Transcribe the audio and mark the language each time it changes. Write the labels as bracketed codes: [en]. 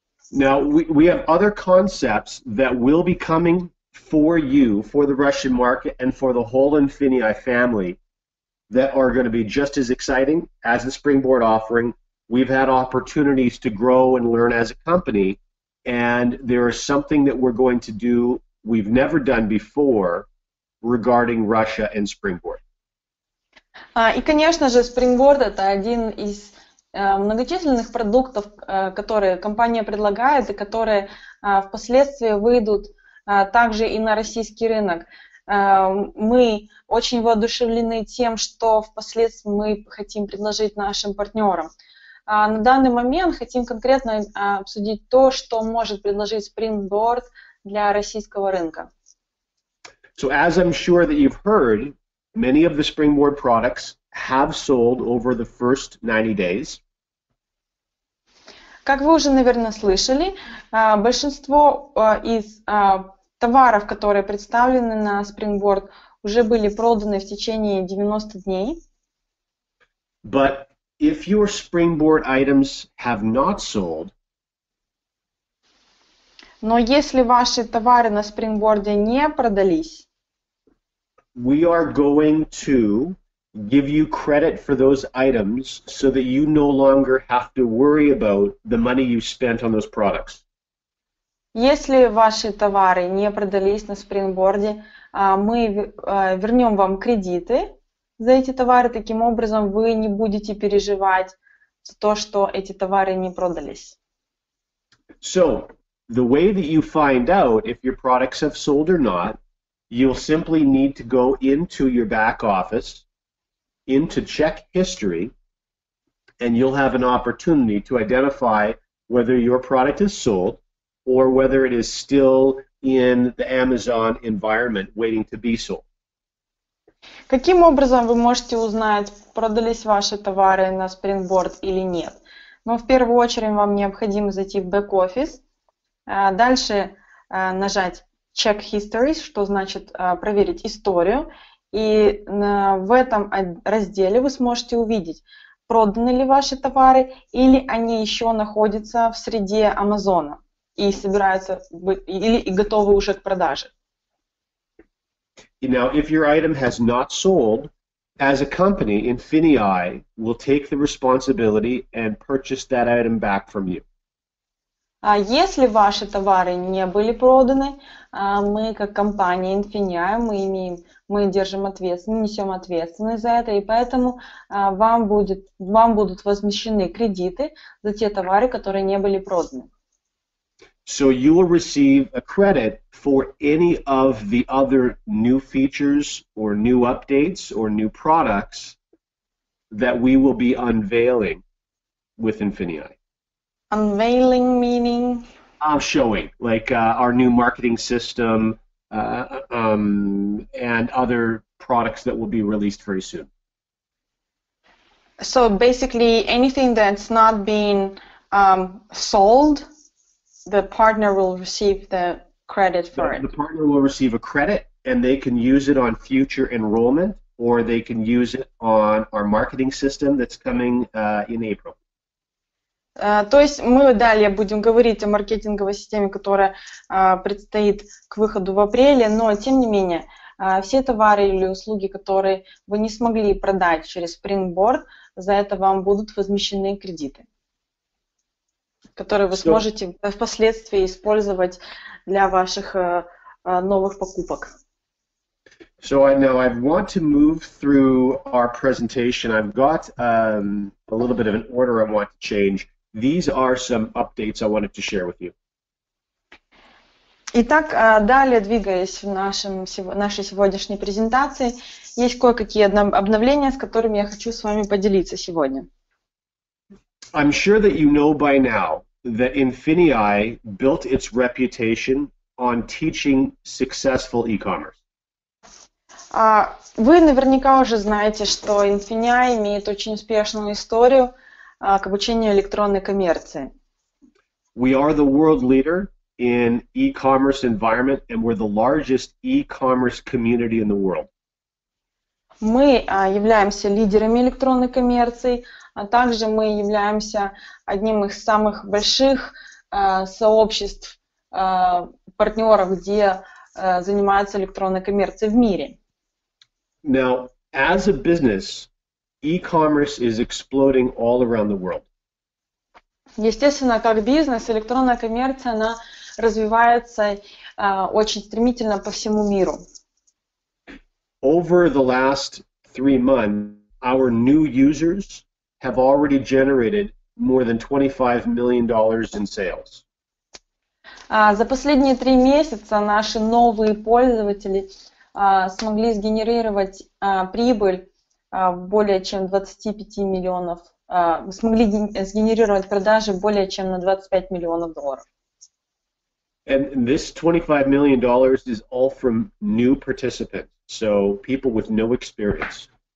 [en] Now we have other concepts that will be coming for you, for the Russian market and for the whole Infinii family, that are going to be just as exciting as the Springboard offering. We've had opportunities to grow and learn as a company, and there is something that we're going to do we've never done before regarding Russia and Springboard. [ru] И, конечно же, Springboard — это один из многочисленных продуктов, которые компания предлагает и которые впоследствии выйдут также и на российский рынок. Мы очень воодушевлены тем, что впоследствии мы хотим предложить нашим партнерам. На данный момент хотим конкретно обсудить то, что может предложить Springboard для российского рынка. [en] So as I'm sure that you've heard, many of the Springboard products have sold over the first 90 days. [ru] Как вы уже, наверное, слышали, большинство из товаров, которые представлены на Springboard, уже были проданы в течение 90 дней. [en] But if your Springboard items have not sold, [ru] но если ваши товары на Springboard не продались, [en] we are going to give you credit for those items so that you no longer have to worry about the money you spent on those products. [ru] Если ваши товары не продались на Springboard, мы вернем вам кредиты за эти товары, таким образом вы не будете переживать то, что эти товары не продались. [en] So, the way that you find out if your products have sold or not, you'll simply need to go into your back office, into check history, and you'll have an opportunity to identify whether your product is sold or whether it is still in the Amazon environment waiting to be sold. [ru] Каким образом вы можете узнать, продались ваши товары на Springboard или нет? Но в первую очередь вам необходимо зайти в back office, дальше нажать check history, что значит проверить историю. И в этом разделе вы сможете увидеть, проданы ли ваши товары, или они еще находятся в среде Амазона и собираются быть, или и готовы уже к продаже. [en] Now, if your item has not sold, as a company, Infinii will take the responsibility and purchase that item back from you. [ru] А если ваши товары не были проданы, мы как компания Infinii, мы держим ответственность, несем ответственность за это, и поэтому вам будут возмещены кредиты за те товары, которые не были проданы. [en] So you will receive a credit for any of the other new features or new updates or new products that we will be unveiling with Infinii. Unveiling meaning? Showing, like our new marketing system and other products that will be released very soon. So basically anything that's not being sold, the partner will receive the credit for it. The partner will receive a credit and they can use it on future enrollment or they can use it on our marketing system that's coming in April. [ru] То есть мы далее будем говорить о маркетинговой системе, которая предстоит к выходу в апреле, но тем не менее, все товары или услуги, которые вы не смогли продать через Springboard, за это вам будут возмещены кредиты, которые вы сможете впоследствии использовать для ваших новых покупок. [en] So I know I want to move through our presentation. I've got a little bit of an order I want to change. These are some updates I wanted to share with you. [ru] Итак, далее, двигаясь в нашей сегодняшней презентации, есть кое-какие обновления, с которыми я хочу с вами поделиться сегодня. [en] I'm sure that you know by now that Infinii built its reputation on teaching successful e-commerce. [ru] Вы наверняка уже знаете, что Infinii имеет очень успешную историю к обучению электронной коммерции. [en] We are the world leader in e-commerce environment, and we're the largest e-commerce community in the world. [ru] Мы являемся лидерами электронной коммерции, а также мы являемся одним из самых больших сообществ партнеров, где занимаются электронной коммерцией в мире. [en] Now, as a business, e-commerce is exploding all around the world. [ru] Естественно, как бизнес, электронная коммерция, она развивается очень стремительно по всему миру. [en] Over the last 3 months, our new users have already generated more than $25 million in sales. [ru] За последние 3 месяца наши новые пользователи смогли сгенерировать прибыль более чем 25 миллионов, смогли сгенерировать продажи более чем на 25 миллионов долларов. [en] And this $25 million is all from new participants, so people with no experience.